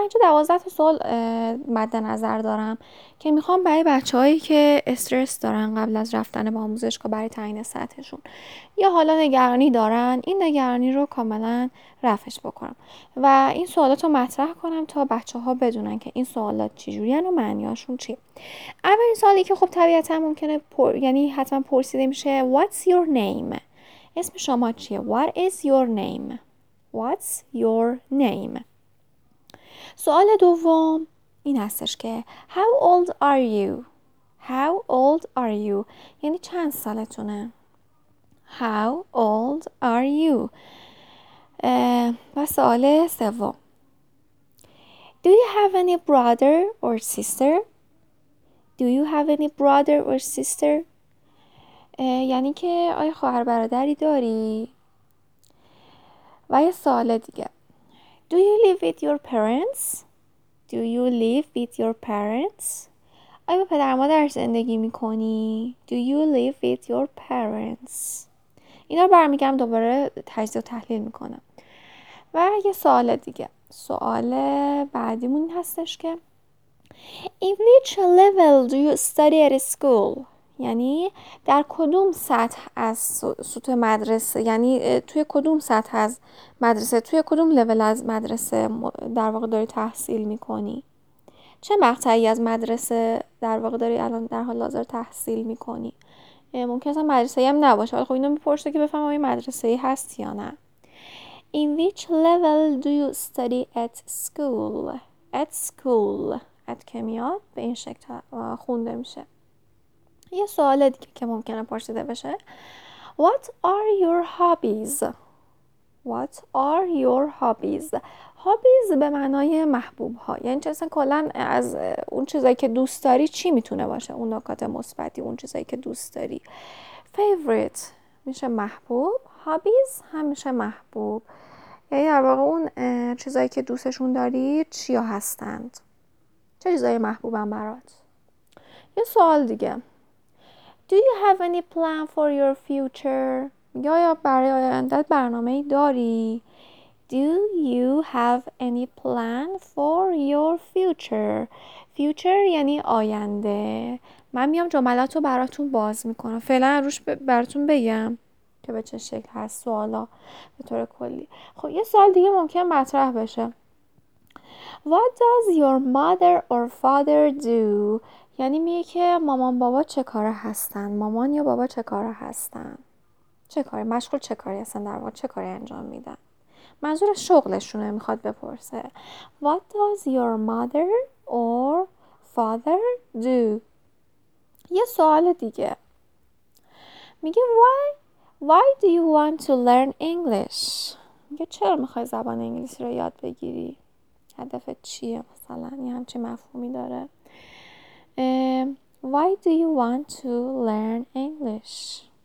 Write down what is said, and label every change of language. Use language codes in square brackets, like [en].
[fa] من اینجا 12 تا سوال مد نظر دارم که میخوام برای بچه‌هایی که استرس دارن قبل از رفتن به آموزشگاه برای تعیین سطحشون، یا حالا نگرانی دارن، این نگرانی رو کاملا رفعش بکنم و این سوالات رو مطرح کنم تا بچه‌ها بدونن که این سوالات چجوریه و معنیاشون چیه. اولین سوالی که خب طبیعتا ممکنه یعنی حتما پرسیده میشه، [en] What's your name؟ [fa] اسم شما چیه؟ [en] What is your name؟ What's your name؟ [fa] سوال دوم این هستش که [en] How old are you؟ How old are you؟ [fa] یعنی چند سالتونه؟ [en] How old are you؟ [fa] و سوال سوم، [en] Do you have any brother or sister؟ Do you have any brother or sister؟ [fa] یعنی که آیا خواهر برادری داری؟ و یه سوال دیگه، [en] Do you live with your parents? Do you live with your parents? [fa] آیا با پدر مادر زندگی میکنی؟ [en] Do you live with your parents? [fa] اینا رو برمیگم دوباره تجزیه و تحلیل میکنم. و یه سوال دیگه، سوال بعدیمون این هستش که [en] In which level do you study at school؟ [fa] یعنی در کدوم سطح از سطح مدرسه، یعنی توی کدوم سطح از مدرسه، توی کدوم لول از مدرسه در واقع داری تحصیل میکنی؟ چه مقطعی از مدرسه در واقع داری الان در حال حاضر تحصیل میکنی؟ ممکن است مدرسه هم نباشه، ولی خب اینو میپرسه که بفهمم این مدرسه ای هست یا نه. [en] In which level do you study at school؟ At school، at [fa] که میاد به این شکل خونده میشه. یه سوال دیگه که ممکنه پرسیده بشه، [en] What are your hobbies؟ [fa] What are your hobbies؟ hobbies به معنای محبوب ها، یعنی چه اصلا کلن از اون چیزایی که دوست داری چی میتونه باشه، اون نکات مثبتی، اون چیزایی که دوست داری. favorite میشه محبوب، hobbies هم میشه محبوب، یعنی در واقع اون چیزایی که دوستشون داری چیا هستند، چه چیزایی محبوبن برات. یه سوال دیگه، [en] Do you have any plan for your future؟ [fa] میگه آیا برای آینده برنامه داری؟ [en] Do you have any plan for your future؟ Future [fa] یعنی آینده. من میام جملات رو براتون باز میکنم، فعلا روش براتون بگم که به چه شکل هست سوالا به طور کلی. خب یه سوال دیگه ممکن مطرح بشه، [en] What does your mother or father do؟ [fa] یعنی میگه که مامان بابا چه کاره هستن؟ مامان یا بابا چه کاره هستن؟ چه کاره؟ مشغول چه کاره هستن؟ در واقع چه کاره انجام میدن؟ منظور شغلشونه، میخواد بپرسه. [en] What does your mother or father do؟ [fa] یه سوال دیگه، میگه [en] Why do you want to learn English؟ [fa] میگه چرا میخوای زبان انگلیسی رو یاد بگیری؟ هدفت چیه مثلا؟ یه همچه مفهومی داره؟ [en] Why do you want to learn English?